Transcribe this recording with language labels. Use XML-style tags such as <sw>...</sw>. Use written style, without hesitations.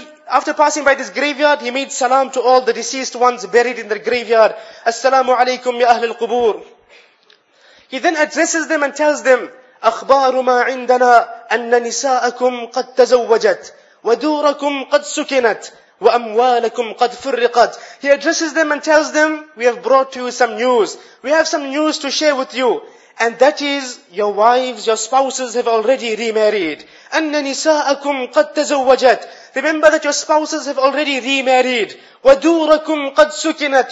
<en>After passing by this graveyard, he made salam to all the deceased ones buried in the graveyard.</en> <ar>Assalamu alaykum ya ahl al-qubur.</ar> <en>He then addresses them and tells them,</en> <ar>أَخْبَارُ مَا عِنْدَنَا أَنَّ نِسَاءَكُمْ قَدْ تَزَوَّجَتْ وَدُورَكُمْ قَدْ سُكِنَتْ وَأَمْوَالَكُمْ قَدْ فُرِّقَتْ.</ar> <en>He addresses them and tells them, we have brought to you some news. We have some news to share with you. And that is, your wives, your spouses have already remarried.</en> <ar>أَنَّ نِسَاءَكُمْ قَدْ تَزَوَّجَتْ.</ar> <en>Remember that your spouses have already remarried.</en> <ar>وَدُورَكُمْ قَدْ سُكِنَتْ.</ar>